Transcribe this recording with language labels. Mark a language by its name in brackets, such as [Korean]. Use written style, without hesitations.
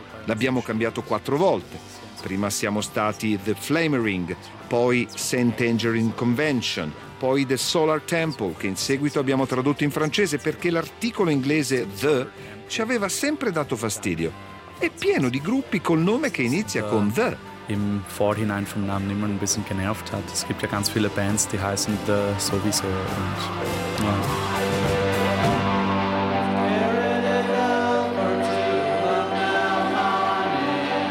[Italian] L'abbiamo cambiato 4 volte. Prima siamo stati The Flamering, poi Saint Tangerine Convention, poi The Solar Temple, che in seguito abbiamo tradotto in francese perché l'articolo inglese The ci aveva sempre dato fastidio. È pieno di gruppi col nome che inizia con The. [German] Im Vorhinein vom Namen immer ein bisschen genervt hat. Es gibt ja ganz viele Bands, die heißen The sowieso. [English] There it is, number 2, but now I'm in.